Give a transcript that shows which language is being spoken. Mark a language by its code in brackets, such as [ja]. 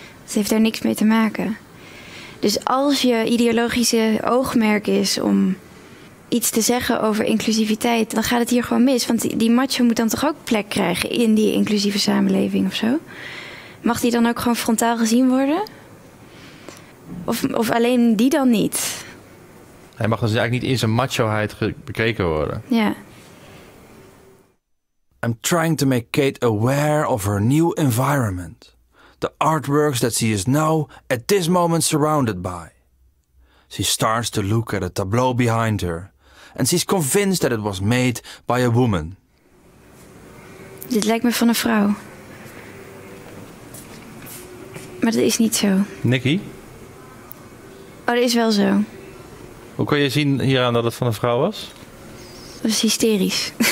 [nl] Het heeft daar niks mee te maken. Dus als je ideologische oogmerk is om iets te zeggen over inclusiviteit, dan gaat het hier gewoon mis. Want die macho moet dan toch ook plek krijgen in die inclusieve samenleving of zo? Mag die dan ook gewoon frontaal gezien worden? Of alleen die dan niet? Hij mag dus eigenlijk niet in zijn macho-heid bekeken worden. Ja. [en] I'm trying to make Kate aware of her new environment. The artworks that she is now at this moment surrounded by. She starts to look at a tableau behind her. And she's convinced that it was made by a woman. [nl] Dit lijkt me van een vrouw. Maar dat is niet zo. Nikki? Oh, dat is wel zo. Hoe kon je zien hieraan dat het van een vrouw was? Dat is hysterisch.